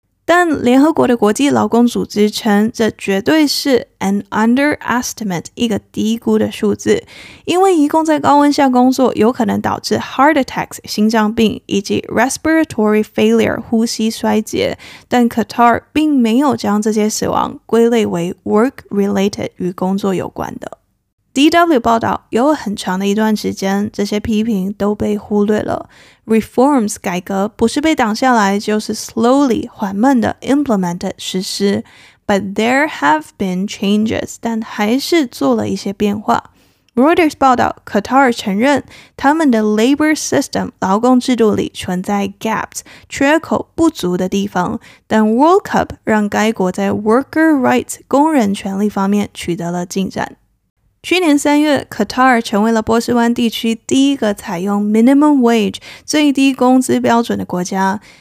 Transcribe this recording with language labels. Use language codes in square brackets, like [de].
[zh] 但联合国的国际劳工组织称，这绝对是 [en] an underestimate [zh] 一个低估的数字，因为移工在高温下工作有可能导致 [en] heart attacks [zh] 心脏病以及 [en] respiratory failure [zh] 呼吸衰竭，但 Qatar 并没有将这些死亡归类为 [en] work related [zh] 与工作有关的。 DW 报道，有很长的一段时间，这些批评都被忽略了。 Reforms 改革不是被挡下来，就是 slowly 缓慢的 implemented 实施。 [en] But there have been changes， [zh] 但还是做了一些变化。 Reuters 报道， Qatar 承认他们的 [en] labor system [zh] 劳工制度里存在 gaps 缺口不足的地方，但 World Cup 让该国在 [en] worker rights [zh] 工人权利方面取得了进展。去年3月， Qatar 成为了波斯湾地区第一个采用 [en] minimum wage [zh] 最低工资标准的国家。